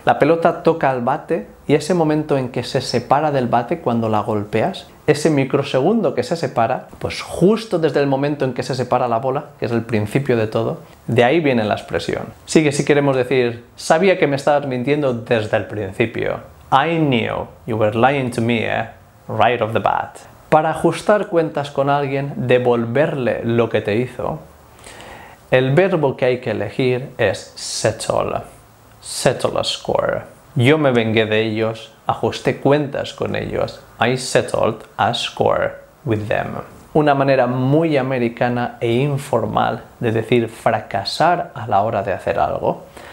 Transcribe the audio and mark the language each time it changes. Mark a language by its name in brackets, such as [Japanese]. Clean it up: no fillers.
[Spanish] La pelota toca el bate y ese momento en que se separa del bate cuando la golpeas, ese microsegundo que se separa, pues justo desde el momento en que se separa la bola, que es el principio de todo, de ahí viene la expresión. Sigue si queremos decir, sabía que me estabas mintiendo desde el principio. [English] I knew you were lying to me, right off the bat. [Spanish] Para ajustar cuentas con alguien, devolverle lo que te hizo, el verbo que hay que elegir es [English] settle, settle a score. [Spanish] Yo me vengué de ellos, ajusté cuentas con ellos. [English] I settled a score with them. [Spanish] Una manera muy americana e informal de decir fracasar a la hora de hacer algo.